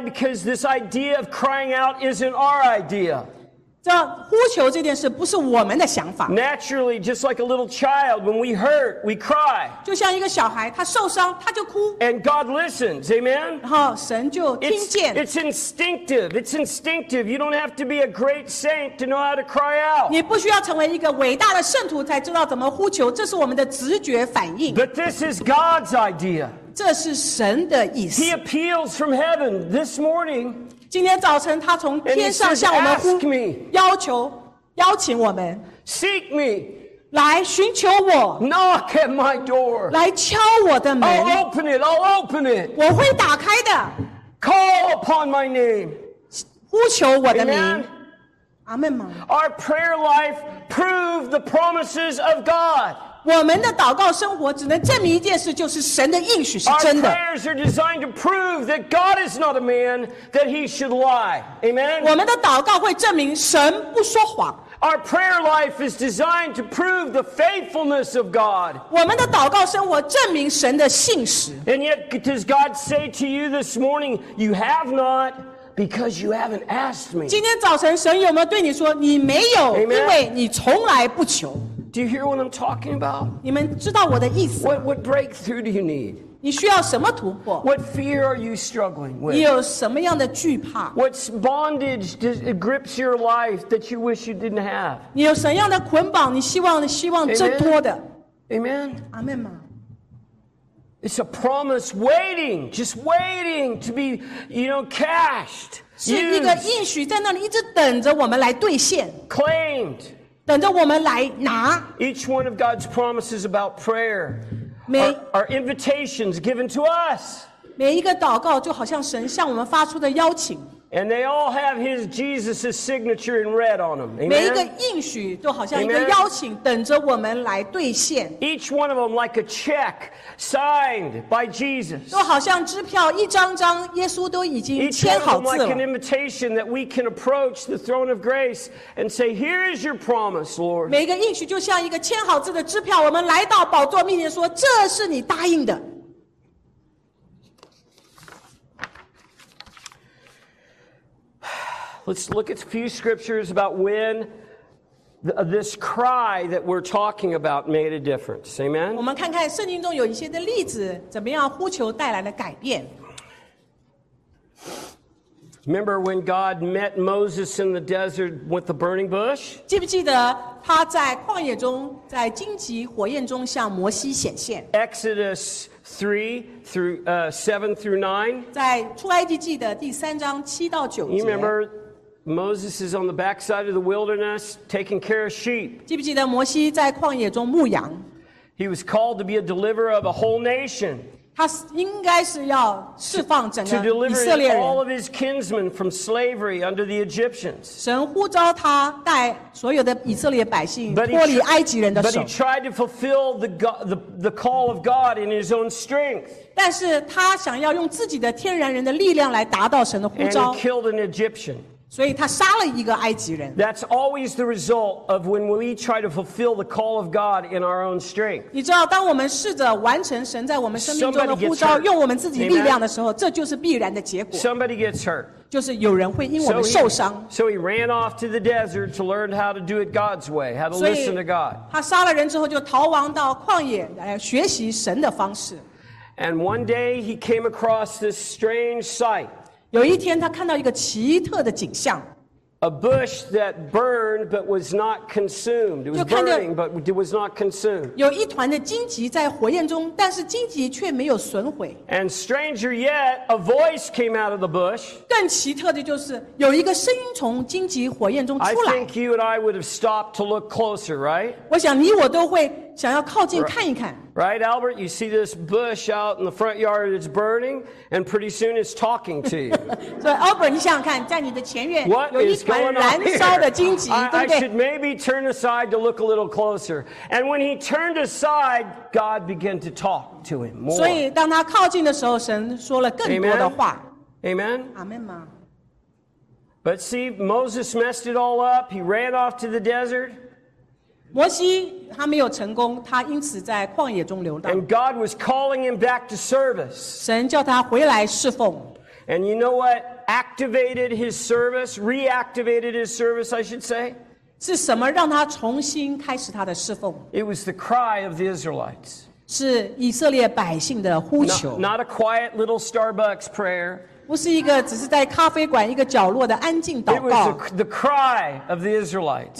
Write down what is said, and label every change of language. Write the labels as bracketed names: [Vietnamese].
[English] Because this idea of crying out isn't our idea. [Chinese] 这呼求这件事不是我们的想法。 [English] Naturally, just like a little child, when we hurt, we cry. [Chinese] 就像一个小孩，他受伤，他就哭。 [English] And God listens, amen? [Chinese] 然后神就听见。 [English] It's instinctive. It's instinctive. You don't have to be a great saint to know how to cry out. [Chinese] 你不需要成为一个伟大的圣徒才知道怎么呼求，这是我们的直觉反应。 [English] But this is God's idea. [Chinese] 这是神的意思。 [English] He appeals from heaven this morning. [Chinese] 今天早晨，他从天上向我们呼，要求邀请我们。 [English] Seek me, [Chinese] 来寻求我 [English] Knock at my door [Chinese] 来敲我的门 [English] I'll open it, I'll open it [Chinese] 我会打开的 [English] Call upon my name [Chinese] 呼求我的名 [English] Amen Our prayer life proves the promises of God [Chinese] 我们的祷告生活只能证明一件事就是神的应许是真的 [English] Our prayers are designed to prove that God is not a man that he should lie Amen [Chinese] 我们的祷告会证明神不说谎 [English] Our prayer life is designed to prove the faithfulness of God. [Chinese] 我们的祷告生活证明神的信实。 [English] And yet, does God say to you this morning, "You have not because you haven't asked me"? [Chinese] 今天早晨，神有没有对你说，你没有，因为你从来不求。 [English] Do you hear what I'm talking about? [Chinese] 你们知道我的意思。 [English] What breakthrough do you need? [Chinese] 你需要什么突破？ [English] What fear are you struggling with? [Chinese] 你有什么样的惧怕？ [English] What bondage grips your life that you wish you didn't have? [Chinese] 你有什么样的捆绑？你希望挣脱的？ [English] Amen. Amen. Amen. It's a promise waiting, just waiting to be, you know, cashed. [Chinese] 是一个应许在那里一直等着我们来兑现。 [English] Claimed. [Chinese] 等着我们来拿。 [English] Each one of God's promises about prayer are invitations given to us. [Chinese] 每一个祷告就好像神向我们发出的邀请。 [English] And they all have His Jesus' signature in red on them. Amen. [Chinese] 每一个应许就好像一个邀请，等着我们来兑现。 [English] Each one of them like a check signed by Jesus. [Chinese] 都好像支票，一张张，耶稣都已经签好字了。 [English] Each one of them like an invitation that we can approach the throne of grace and say, "Here is your promise, Lord." [Chinese] 每一个应许就像一个签好字的支票，我们来到宝座面前说，这是你答应的。 [English] Let's look at a few scriptures about when this cry that we're talking about made a difference. Amen. [Chinese] 我们看看圣经中有一些的例子，怎么样呼求带来了改变。 [English] Remember when God met Moses in the desert with the burning bush? [Chinese] 记不记得他在旷野中，在荆棘火焰中向摩西显现 [English] ？Exodus 3:7-9. [Chinese] 在出埃及记的第三章七到九节。 [English] You remember? Moses is on the backside of the wilderness, taking care of sheep. [Chinese] 记不记得摩西在旷野中牧羊 [English] ？He was called to be a deliverer of a whole nation. [Chinese] 他应该是要释放整个以色列人。 [English] To deliver all of his kinsmen from slavery under the Egyptians. [Chinese] 神呼召他带所有的以色列百姓脱离埃及人的手。 [English] But he tried to fulfill the call of God in his own strength. [Chinese] 但是他想要用自己的天然人的力量来达到神的呼召。 [English] And he killed an Egyptian. [Chinese] 所以他杀了一个埃及人。 [English] That's always the result of when we try to fulfill the call of God in our own strength. [Chinese] 你知道，当我们试着完成神在我们生命中的呼召，用我们自己力量的时候，这就是必然的结果。 [English] Somebody gets hurt. [Chinese] 就是有人会因我们受伤。 [English] So he ran off to the desert to learn how to do it God's way, how to listen to God. [Chinese] 他杀了人之后就逃亡到旷野来学习神的方式。 [English] And one day he came across this strange sight. [Chinese] 有一天，他看到一个奇特的景象。 [English] A bush that burned but was not consumed. It was burning but it was not consumed. [Chinese] 有一团的荆棘在火焰中，但是荆棘却没有损毁。 [English] And stranger yet, a voice came out of the bush. [Chinese] 更奇特的就是有一个声音从荆棘火焰中出来。 [English] I think you and I would have stopped to look closer, right? [Chinese] 我想你我都会想要靠近看一看。 [English] Right, Albert, you see this bush out in the front yard, it's burning, and pretty soon it's talking to you. [Chinese] So, Albert, 你想想看，在你的前院 [English] What [Chinese] 有一团燃烧的荆棘，对不对 [English] I should maybe turn aside to look a little closer. And when he turned aside, God began to talk to him more. [Chinese] 所以当他靠近的时候，神说了更多的话。 [English] Amen? [Chinese] Amen 吗 [English] But see, Moses messed it all up. He ran off to the desert. [Chinese] 摩西他没有成功，他因此在旷野中流浪。 [English] And God was calling him back to service. [Chinese] 神叫他回来侍奉。 [English] And you know what activated his service, reactivated his service, I should say? [Chinese] 是什么让他重新开始他的侍奉 [English] ？It was the cry of the Israelites. [Chinese] 是以色列百姓的呼求。 [English] Not a quiet little Starbucks prayer. [Chinese] 不是一个只是在咖啡馆一个角落的安静祷告。 [English] It was the cry of the Israelites.